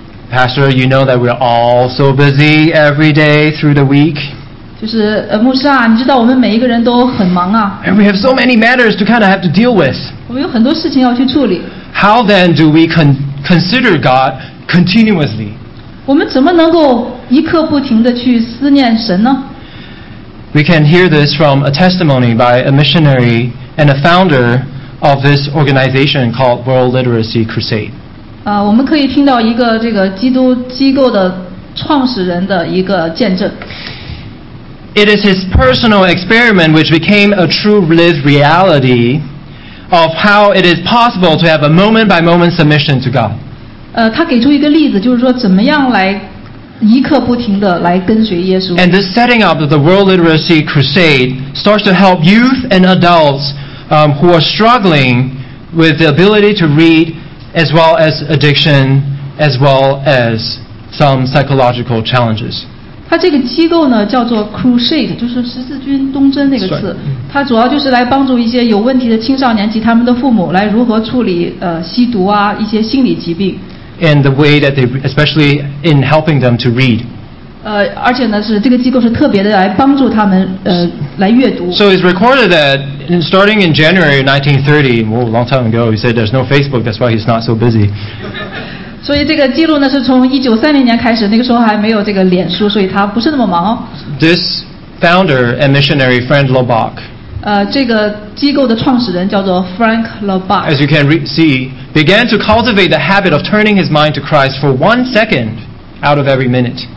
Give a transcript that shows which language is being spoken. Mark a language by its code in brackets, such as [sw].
[en] Pastor, you know that we're all so busy every day through the week. [zh] 就是牧师啊，你知道我们每一个人都很忙啊。 [en] And we have so many matters to kind of have to deal with. [zh] 我们有很多事情要去处理。 [en] How then do we consider God continuously? [zh] 我们怎么能够一刻不停地去思念神呢？ [en] We can hear this from a testimony by a missionary and a founder of this organization called World Literacy Crusade. [zh] 我们可以听到一个这个基督机构的创始人的一个见证。 [en] It is his personal experiment which became a true lived reality of how it is possible to have a moment-by-moment submission to God. [zh] 他给出一个例子，就是说怎么样来一刻不停地来跟随耶稣。 [en] And this setting up of the World Literacy Crusade starts to help youth and adults, who are struggling with the ability to read, as well as addiction, as well as some psychological challenges. [zh] 它这个机构呢叫做 Crusade， 就是十字军东征那个词。它主要就是来帮助一些有问题的青少年及他们的父母来如何处理吸毒啊一些心理疾病。 [en] And the way that they, especially in helping them to read. [zh] 而且呢是这个机构是特别的来帮助他们来阅读。 [en] So it's recorded that starting in January 1930, a long time ago, he said there's no Facebook, that's why he's not so busy. [zh] 所以这个记录呢是从1930年开始，那个时候还没有这个脸书，所以他不是那么忙。 [en] This founder and missionary Frank Loebach. [zh] 这个机构的创始人叫做 Frank Loebach. [en] As you can see. Began to cultivate the habit of turning his mind to Christ for 1 second out of every minute.